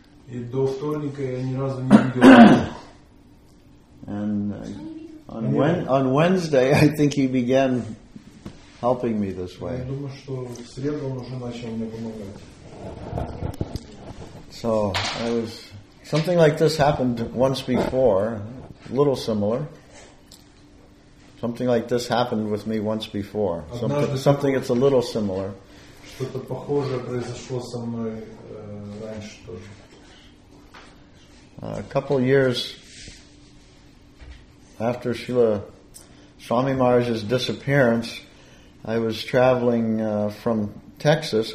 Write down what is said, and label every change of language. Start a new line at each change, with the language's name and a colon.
Russian: И до вторника я ни разу не видел его.
English: And on Wednesday, I think he began helping me this way.
Russian: Я думаю, что в среду он уже начал мне помогать.
English: So I was, something like this happened once before. Little similar. Something like this happened with me once before. Something that's a little similar.
Russian: Что-то похожее произошло со мной раньше тоже.
English: A couple years after Srila Swami Maharaj's disappearance, I was traveling from Texas.